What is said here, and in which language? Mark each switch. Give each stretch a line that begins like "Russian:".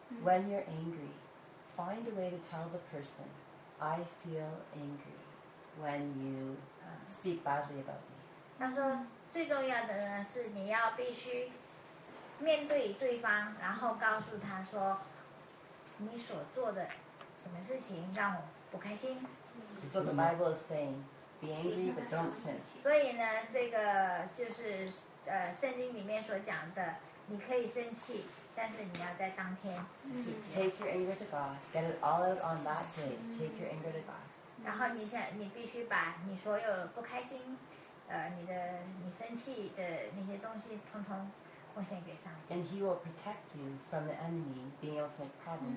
English: When you're angry, find a way to tell the person, "I feel angry when you speak badly about me."
Chinese: 他说，最重要的呢是你要必须面对对方，然后告诉他说，你所做的什么事情让我不开心。
English: So the Bible is saying, be angry but don't sin.
Chinese: 所以呢，这个就是圣经里面所讲的，你可以生气，但是你要在当天解决。
English: Take your anger to God. Get it all out on that day. Take your anger to God.
Chinese: 然后你必须把你所有不开心，你生气的那些东西，统统奉献给上帝。
English: And He will protect you from the enemy being able to make problems.